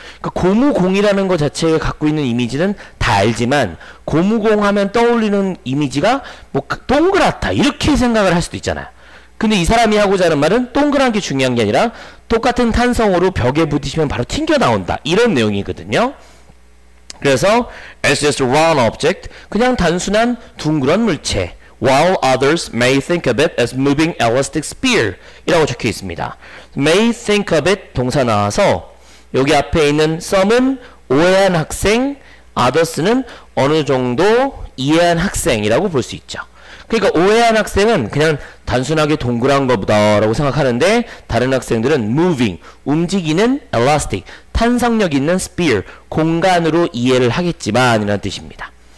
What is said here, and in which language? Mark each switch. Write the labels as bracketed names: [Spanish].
[Korean] 그 고무공이라는 것 자체에 갖고 있는 이미지는 다 알지만 고무공 하면 떠올리는 이미지가 뭐 동그랗다 이렇게 생각을 할 수도 있잖아요. 근데 이 사람이 하고자 하는 말은 동그란 게 중요한 게 아니라 똑같은 탄성으로 벽에 부딪히면 바로 튕겨 나온다 이런 내용이거든요. [English] 그래서 it's just a round object, [Korean] 그냥 단순한 둥그런 물체, [English] while others may think of it as moving elastic spear [Korean] 이라고 적혀 있습니다. may think of it 동사 나와서 여기 앞에 있는 some은 오해한 학생, others는 어느 정도 이해한 학생이라고 볼 수 있죠. 그러니까 오해한 학생은 그냥 단순하게 동그란 것보다 라고 생각하는데 다른 학생들은 moving 움직이는 elastic 탄성력 있는 spear 공간으로 이해를 하겠지만 이라는 뜻입니다.